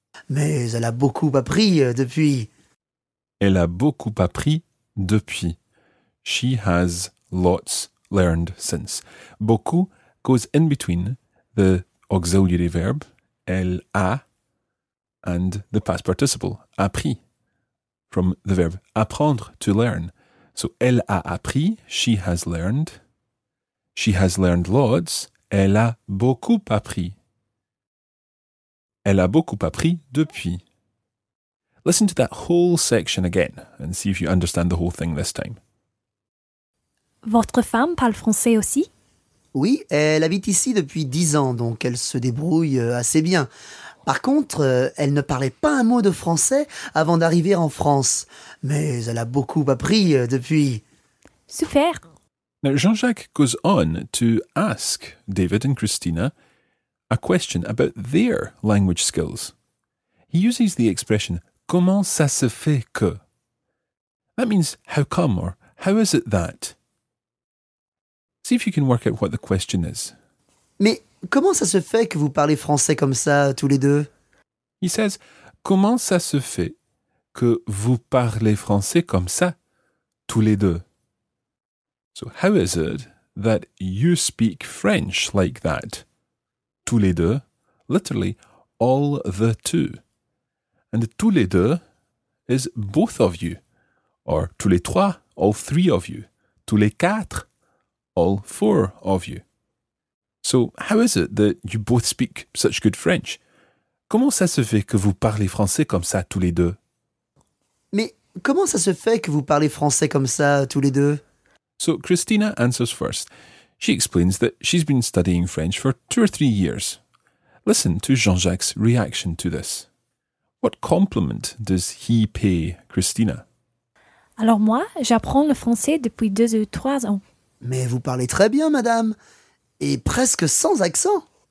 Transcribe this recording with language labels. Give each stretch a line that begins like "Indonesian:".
French: Mais elle a beaucoup appris depuis. Elle a beaucoup appris depuis.
English: She has lots learned since. Beaucoup goes in between the auxiliary verb, elle a, and the past participle, appris, from the verb apprendre, to learn. So,
French: elle a appris,
English: she has learned. She has learned lots,
French: elle a beaucoup appris. Elle a beaucoup appris depuis.
English: Listen to that whole section again and see if you understand the whole thing this time.
French: Votre femme parle français aussi? Oui, elle habite ici depuis 10 ans, donc elle se débrouille assez bien. Par contre, elle ne parlait pas un mot de français avant d'arriver en France. Mais elle a beaucoup appris depuis. Super!
English: Now, Jean-Jacques goes on to ask David and Christina a question about their language skills. He uses the expression,
French: comment ça se fait que?
English: That means, how come or how is it that? See if you can work out what the question is.
French: Mais comment ça se fait que vous parlez français comme ça, tous les deux?
English: He says,
French: comment ça se fait que vous parlez français comme ça, tous les deux?
English: So how is it that you speak French like that?
French: Tous les deux,
English: literally, all the two. And
French: tous les deux
English: is both of you. Or
French: tous les trois,
English: all three of you.
French: Tous les quatre,
English: all four of you. So how is it that you both speak such good French?
French: Comment ça se fait que vous parlez français comme ça tous les deux? Mais comment ça se fait que vous parlez français comme ça tous les deux?
English: So Christina answers first. She explains that she's been studying French for 2 or 3 years. Listen to Jean-Jacques' reaction to this. What compliment does he pay Christina?
French: Alors moi, j'apprends le français depuis 2 ou 3 ans. Mais vous parlez très bien, madame, et presque sans accent.